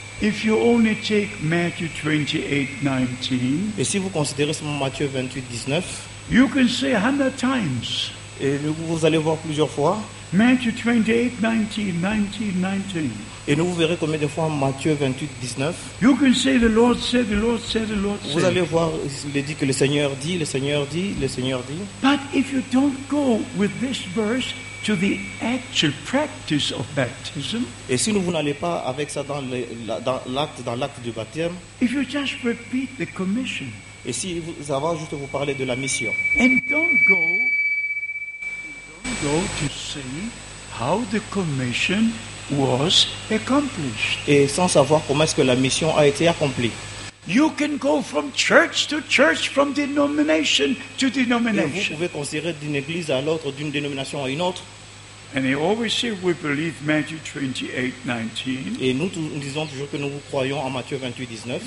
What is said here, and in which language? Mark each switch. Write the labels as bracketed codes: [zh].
[en] If you only take Matthew 28:19, [fr] et si vous considérez seulement Matthieu 28:19, [en] you can say 100 times. [fr] Et vous allez voir plusieurs fois. [en] Matthew 28:19. [fr] Et nous vous verrez combien de fois Matthieu 28:19. [en] You can say the Lord said, the Lord said, the Lord said. [fr] Vous allez voir, il est dit que le Seigneur dit, le Seigneur dit, le Seigneur dit. [en] But if you don't go with this verse to the actual practice of baptism. [fr] Et si nous n'allons pas avec ça dans le dans l'acte du baptême. [en] If you just repeat the commission. [fr] Et si vous avez juste vous parler de la mission. [en] And don't go to see how the commission was accomplished. [fr] Et sans savoir comment est-ce que la mission a été accomplie. [en] You can go from church to church, from denomination to denomination. [fr] Et vous pouvez considérer d'une église à l'autre, d'une dénomination à une autre. [en] And they always say we believe Matthew 28:19. [fr] Et nous disons toujours que nous croyons en Matthieu 28:19.